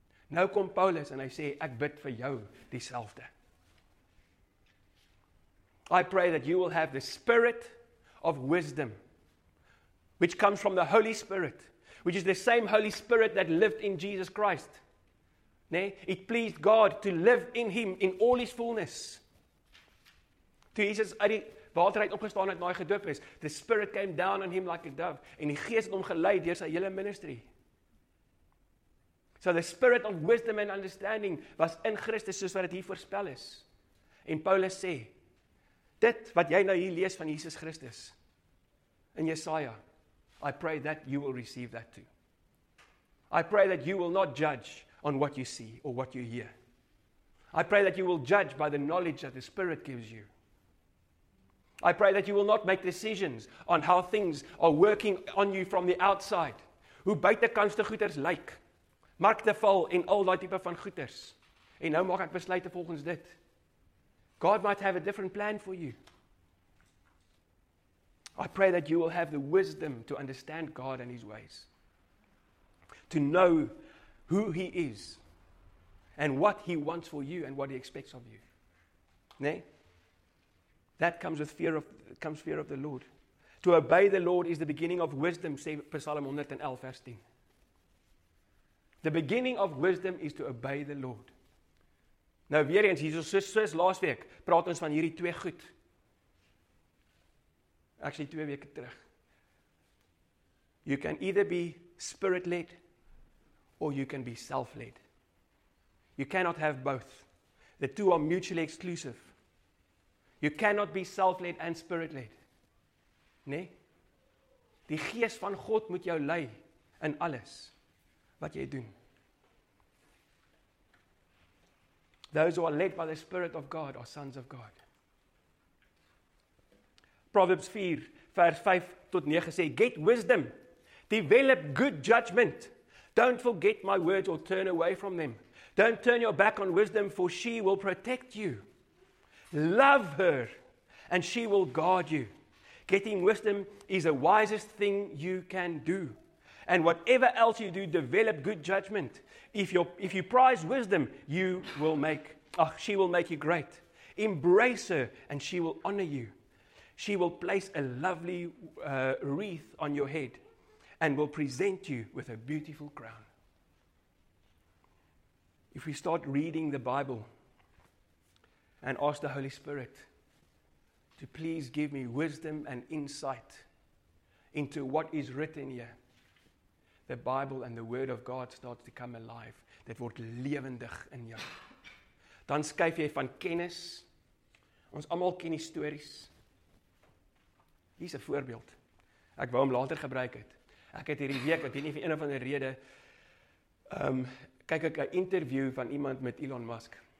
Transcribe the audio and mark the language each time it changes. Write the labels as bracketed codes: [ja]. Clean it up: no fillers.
[af] Nou kom Paulus en hy sê, ek bid vir jou dieselfde. [en] I pray that you will have the Spirit of wisdom, which comes from the Holy Spirit, which is the same Holy Spirit that lived in Jesus Christ. Nee? It pleased God to live in him in all his fullness. [af] To Jesus, waar hy opgestaan het, na hy gedoop is, [en] the Spirit came down on him like a dove, [af] en die Gees het hom gelei deur sy hele ministry. [en] So the Spirit of wisdom and understanding was in Christus, [af] soos wat het hier voorspel is. En Paulus sê, dit wat jy nou hier lees van Jesus Christus, in Jesaja, [en] I pray that you will receive that too. I pray that you will not judge on what you see or what you hear. I pray that you will judge by the knowledge that the Spirit gives you. I pray that you will not make decisions on how things are working on you from the outside. [af] Hoe buitenkantse goeders lyk, markte val en al die type van goeders. En nou maak ek besluite volgens dit. [en] God might have a different plan for you. I pray that you will have the wisdom to understand God and his ways. To know who he is and what he wants for you and what he expects of you. Nee? That comes with fear of the Lord. To obey the Lord is the beginning of wisdom, say Psalm 111, verse 10. The beginning of wisdom is to obey the Lord. [af] Nou, weer eens, soos last week, praat ons van hierdie twee goed. [en] Actually, [af] 2 weke terug. [en] You can either be spirit-led, or you can be self-led. You cannot have both. The two are mutually exclusive. You cannot be self-led and spirit-led. [af] Nee? Die Gees van God moet jou lei in alles wat jy doen. [en] Those who are led by the Spirit of God are sons of God. Proverbs 4, verse 5 tot 9 say, get wisdom, develop good judgment. Don't forget my words or turn away from them. Don't turn your back on wisdom, for she will protect you. Love her, and she will guard you. Getting wisdom is the wisest thing you can do. And whatever else you do, develop good judgment. If you prize wisdom, she will make you great. Embrace her, and she will honor you. She will place a lovely wreath on your head, and will present you with a beautiful crown. If we start reading the Bible and ask the Holy Spirit to please give me wisdom and insight into what is written here, the Bible and the Word of God starts to come alive. [af] Dit word lewendig in jou. Dan skuif jy van kennis. Ons almal ken die stories. Hier is 'n voorbeeld. Ek wou hom later gebruik het. Ek het hierdie week, ek weet nie vir een of ander rede, kyk ek 'n interview van iemand met Elon Musk.